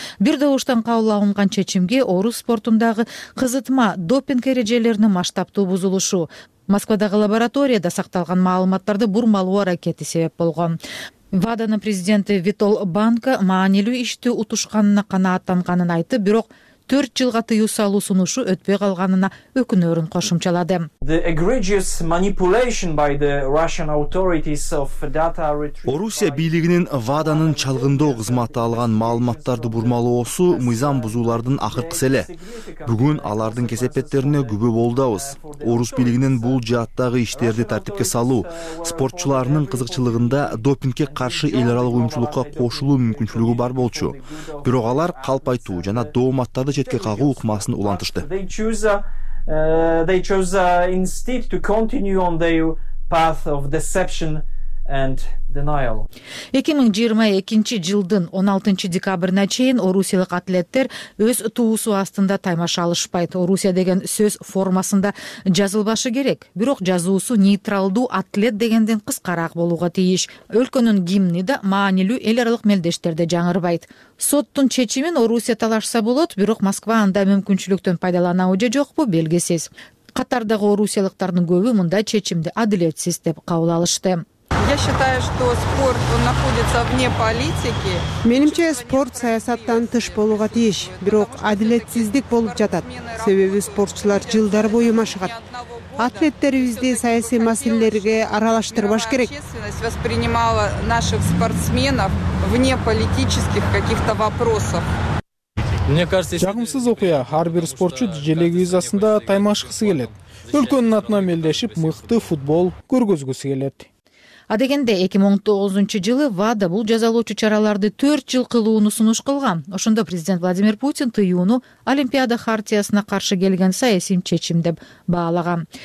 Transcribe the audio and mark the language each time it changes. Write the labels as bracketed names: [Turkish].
[Kyrgyz] Бир добуштан кабыл алынган чечимге орус спортундагы кызытма допинг эрежелеринин масштабтуу бузулушу, Москвадагы лабораторияда сакталган маалыматтарды бурмалоо аракети себеп болгон. ВАДАнын президенти Витол Банка маанилүү ишти утушканына канааттанганын айтып, бирок 4 жылга тыюу салуу сунушу өтпөй калганына өкүнөрүн кошумчалады. [English] The egregious manipulation by the Russian authorities of data retrieval. [Kyrgyz] Орусия бийлигинин ВАДАнын чалгындоо кызматы алган маалыматтарды бурмалоосу мыйзам бузуулардын акыркысы эле. Бүгүн алардын кесепеттерине күбө болдубуз. Орус бийлигинин бул жааттагы иштерди тартипке салуу, спортчуларынын кызыкчылыгында допингке каршы эл аралык уюмчулукка кошулуу мүмкүнчүлүгү бар болчу. Бирок алар калп айтуу жана дооматтарды четке кагуу ыкмасын улантышты. [English] They chose instead to continue on their path of deception and denial. [Kyrgyz] 2022 жылдын 16 декабрына чейин орусиялык атлеттер өз туусу астында таймаша алышпайт. Орусия деген сөз формасында жазылбашы керек. Бирок жазуусу нейтралдуу атлет дегенден кыскараак болууга тийиш. Өлкөнүн гимни да маанилүү эл аралык мелдештерде жаңырбайт. Соттун чечимин Орусия талашса болот, бирок Москва анда мүмкүнчүлүктөн пайдаланабы же жокпу белгисиз. Катардагы орусиялыктардын көбү мындай чечимди адилетсиз деп кабыл алышты. [Russian] Я считаю, что спорт он находится вне политики. [Kyrgyz] Менимче спорт саясаттан тыш болууга тийиш, бирок адилетсиздик болуп жатат. Себеби спортчулар жылдар бою машыгат. Атлеттерибизди саясий маселелерге аралаштырбаш керек. [Russian] Общественность воспринимала наших спортсменов вне политических каких-то вопросов. Мне кажется, [Kyrgyz] жагымсыз окуя, ар бир спортчу желек визасында таймашкысы келет. Өлкөнүн атынан мелдешип, мыкты футбол көргөзгүсү келет. Адегенде 2019 жылы ВАДА бул жазалоочу чараларды 4 жыл кылууну сунуш кылган. Ошондо президент Владимир Путин тыюуну Олимпиада хартиясына каршы келген саясий чечим деп баалаган.